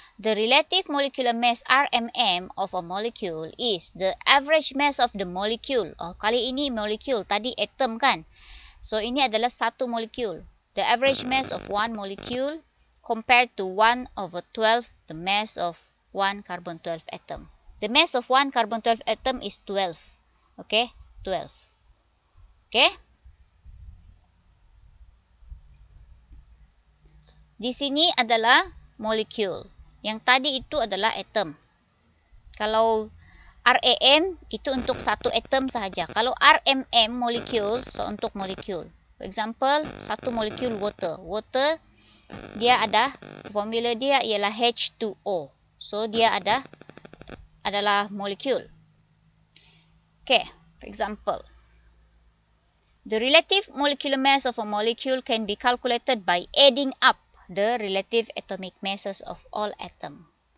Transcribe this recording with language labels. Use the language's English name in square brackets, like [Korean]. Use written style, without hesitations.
[English] The relative molecular mass RMM of a molecule is the average mass of the molecule. [Malay] Oh, kali ini molecule, tadi atom kan? So, ini adalah satu molecule. [English] The average mass of one molecule compared to 1 over 12, the mass of one carbon 12 atom. The mass of one carbon 12 atom is 12. Okay? 12. Okay? [Malay] Di sini adalah molecule. Yang tadi itu adalah atom. Kalau RAM itu untuk satu atom sahaja. Kalau RMM molecule, so untuk molecule. [English] For example, [Malay] satu molecule water. Water, dia ada, formula dia ialah H2O. So, dia ada, adalah molecule. [English] Okay, for example. The relative molecular mass of a molecule can be calculated by adding up the relative atomic masses of all atom.